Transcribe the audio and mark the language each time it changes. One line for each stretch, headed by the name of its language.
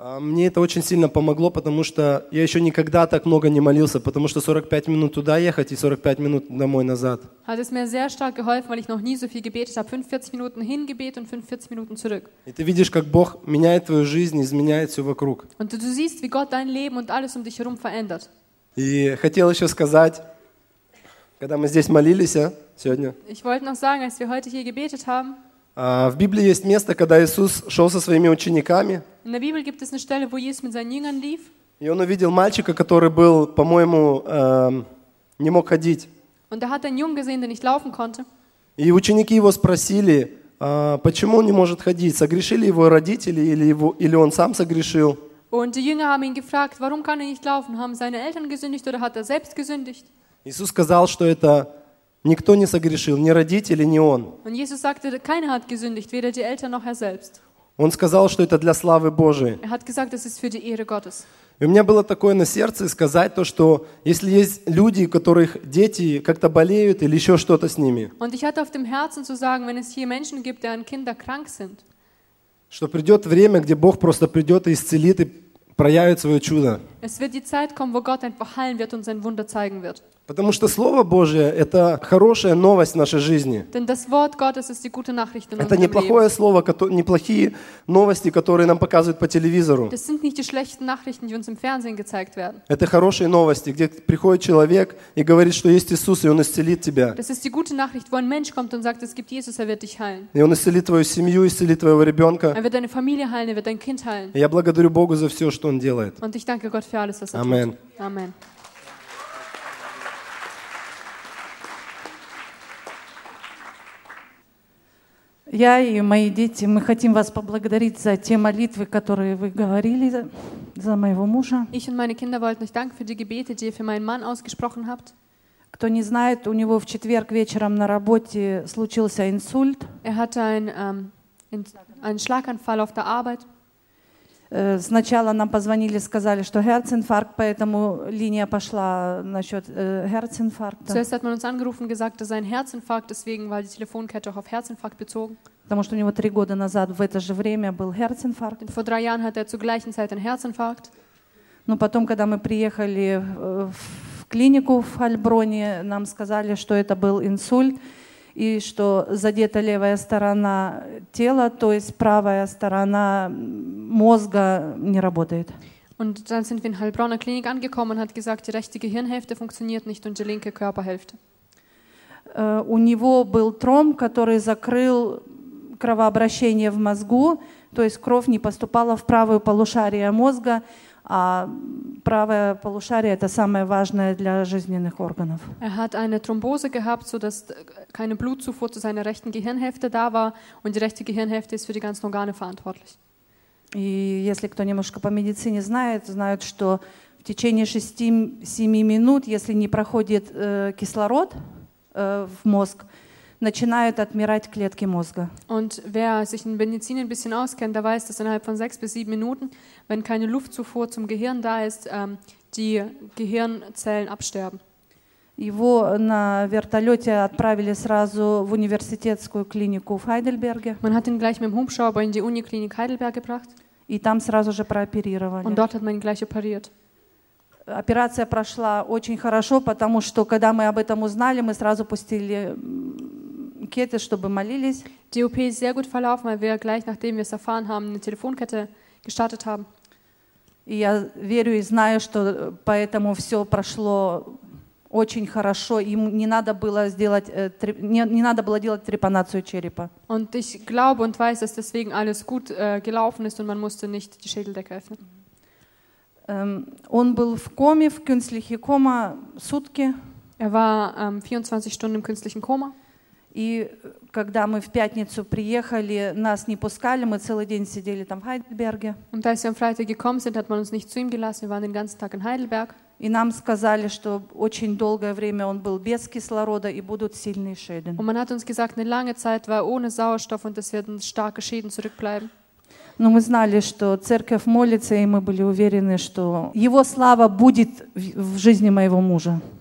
Russian: мне это очень сильно помогло, потому что я еще никогда так много не молился, потому что 45 минут туда ехать и 45 минут домой назад.
German: Hat es mir sehr stark geholfen, weil ich noch nie so viel gebetet habe. 45 Minuten hingebet und 45 Minuten zurück.
Russian: И ты видишь, как Бог меняет твою жизнь, изменяет все вокруг.
German: Und du siehst, wie Gott dein Leben und alles um dich herum verändert.
Russian: И хотел еще сказать, когда мы здесь молились, сегодня.
German: Ich wollte noch sagen, als wir heute hier gebetet haben.
Russian: В Библии есть место, когда Иисус шел со своими учениками.
German: In der Bibel gibt es eine Stelle, wo Jesus mit seinen Jüngern lief.
Russian: И он увидел мальчика, который был, по-моему, не мог ходить.
German: Und da hat er einen Jungen gesehen, der nicht laufen konnte.
Russian: И ученики его спросили, почему он не может ходить? Согрешили его родители или он сам согрешил?
German: Und die Jünger haben ihn gefragt, warum kann er nicht laufen? Haben seine Eltern gesündigt oder hat er selbst gesündigt?
Russian: Иисус сказал, что это никто не согрешил, ни родители, ни он.
German: Und Jesus sagte, keiner hat gesündigt, weder die Eltern noch er selbst.
Russian: Он сказал, что это для славы Божией.
German: Er hat gesagt, das ist für die Ehre Gottes.
Russian: И у меня было такое на сердце сказать то, что если есть люди, у которых дети как-то болеют или еще что-то с ними.
German: Und ich hatte auf dem Herzen zu sagen, wenn es hier Menschen gibt, deren Kinder krank sind.
Russian: Что придет время, где Бог просто придет и исцелит и проявит свое чудо.
German: Es wird die Zeit kommen, wo Gott einfach heilen wird und sein Wunder zeigen wird.
Russian: Потому что Слово Божье – это хорошая новость в нашей жизни.
German: Denn das Wort Gottes ist die gute Nachricht in unserem Leben.
Russian: Это неплохое слово, неплохие новости, которые нам показывают по телевизору.
German: Das sind nicht die schlechten Nachrichten, die uns im Fernsehen gezeigt werden.
Russian: Это хорошие новости, где приходит человек и говорит, что есть Иисус, и Он исцелит тебя.
German: Das ist die gute Nachricht, wo ein Mensch kommt und sagt, es gibt Jesus, er wird dich heilen.
Russian: И Он исцелит твою семью, исцелит твоего ребенка.
German: Er wird deine Familie heilen, er wird dein Kind heilen.
Russian: Я благодарю Бога за все, что Он делает.
German: Und ich danke Gott für alles, was er Amen. Tut. Amen.
Russian: Я и мои дети, мы хотим вас поблагодарить за те молитвы, которые вы говорили за моего мужа.
German: Ich und meine Kinder wollten euch danken für die Gebete, die ihr für meinen Mann ausgesprochen habt.
Russian: Кто не знает, у него в четверг вечером на работе случился инсульт.
German: Er hatte einen Schlaganfall auf der Arbeit.
Russian: Сначала нам позвонили, сказали, что Herzinfarkt, поэтому линия пошла насчет Herzinfarkt.
German: Zuerst hat man uns angerufen, gesagt, dass ein Herzinfarkt, deswegen war die Telefonkette auch auf Herzinfarkt bezogen.
Russian: Потому что у него 3 года назад в это же время был Herzinfarkt.
German: Denn vor 3 Jahren hatte er zur gleichen Zeit einen Herzinfarkt.
Russian: Но потом, когда мы приехали в клинику в Хальброне, нам сказали, что это был инсульт. И что задета левая сторона тела, то есть правая сторона мозга не работает.
German: Und dann sind wir in Heilbronner Klinik angekommen und hat gesagt, die rechte Gehirnhälfte funktioniert nicht und die linke Körperhälfte.
Russian: У него был тромб, который закрыл кровообращение в мозгу, то есть кровь не поступала в правую полушарие мозга. А правое полушарие это самое важное для жизненных органов.
German: Er hat eine Thrombose gehabt, so dass keine Blutzufuhr zu seiner rechten Gehirnhälfte da war und die rechte Gehirnhälfte ist für die ganzen Organe verantwortlich.
Russian: И если кто немножко по медицине знает, знают, что в течение 6-7 минут, если не проходит кислород в мозг, начинают отмирать клетки мозга.
German: Und wer sich in Medizin ein bisschen auskennt, der weiß, dass innerhalb von 6-7 Minuten, wenn keine Luftzufuhr zum Gehirn da ist, die Gehirnzellen absterben.
Russian: Его на вертолете отправили сразу в университетскую клинику в Хайдельберге.
German: Man hat ihn gleich mit dem Hubschrauber in die Uniklinik Heidelberg gebracht.
Russian: И там сразу же прооперировали.
German: Und dort hat man ihn gleich operiert.
Russian: Операция прошла очень хорошо, потому что когда мы об этом узнали, мы сразу пустили кеты, чтобы молились.
German: Die OP ist sehr gut verlaufen, weil wir gleich nachdem wir es erfahren haben, eine Telefonkette gestartet haben.
Russian: И я верю и знаю, что поэтому все прошло очень хорошо. Им не надо было делать трепанацию черепа.
German: Und ich glaube und weiß, dass deswegen alles gut gelaufen ist und man musste nicht die Schädeldecke öffnen.
Russian: Он был в коме, в
German: künstlichen Koma
Russian: сутки.
German: Er war 24 Stunden im künstlichen Koma.
Russian: И когда мы в пятницу приехали, нас не пускали, мы целый день сидели там в Хайдельберге.
German: Und als wir am Freitag gekommen sind, hat man uns nicht zu ihm gelassen. Wir waren den ganzen Tag in Heidelberg.
Russian: И нам сказали, что очень долгое время он был без кислорода и будут сильные Schäden.
German: Und man hat uns gesagt, eine lange Zeit war ohne Sauerstoff und es werden starke Schäden zurückbleiben.
Russian: Но мы знали, что церковь молится, и мы были уверены, что его слава будет в жизни моего мужа.